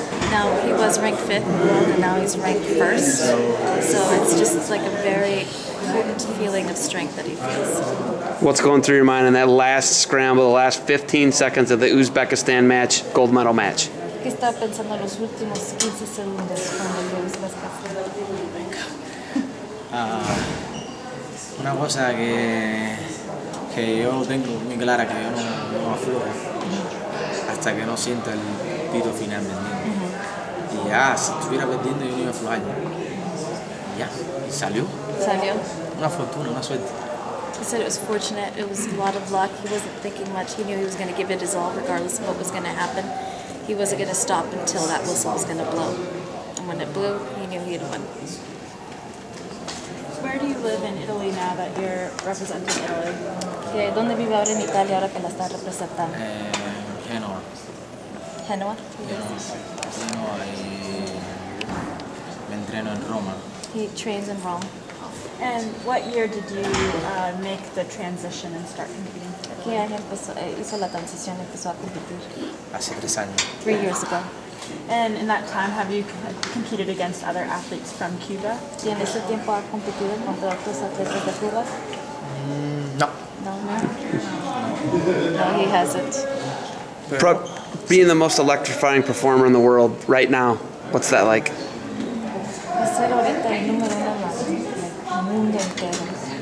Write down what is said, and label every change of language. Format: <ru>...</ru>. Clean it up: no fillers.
<en>Now he was ranked fifth in the world and now he's ranked first. So it's just like a very potent feeling of strength that he feels. What's going through your mind in that last scramble, the last 15 seconds of the Uzbekistan match, gold medal match?</en> <es>¿Qué está pensando los últimos 15 segundos cuando el Uzbekistan? Una cosa que yo tengo muy clara, que yo no aflojo hasta que no sienta el pito final, ¿me entiendes? Y ya, si estuviera perdiendo yo no iba a aflojar. Ya, y salió. ¿Salió? Una fortuna, una suerte.</es> <en>He said it was fortunate, it was a lot of luck. He wasn't thinking much. He knew he was going to give it his all regardless of what was going to happen. He wasn't going to stop until that whistle was going to blow. And when it blew, he knew he had won. Where do you live in Italy now that you're representing Italy?</en> <es>¿Dónde vive ahora en Italia ahora que la está representando?</es> <en>Genoa. Genoa?</en> <es>Genoa. Me entreno en Roma.</es> <en>He trains in Rome. And what year did you make the transition and start competing?</en> <es>¿Qué año empezó, hizo la transición y empezó a competir? Hace 3 años.</es> <en>3 years ago. And in that time, have you competed against other athletes from Cuba?</en> <es>¿Y en ese tiempo ha competido contra otros atletas de Cuba? No.</es> <en>No, no. No, he hasn't. Being the most electrifying performer in the world right now, what's that like?</en> <es>Ser ahorita el número uno en el mundo entero.</es>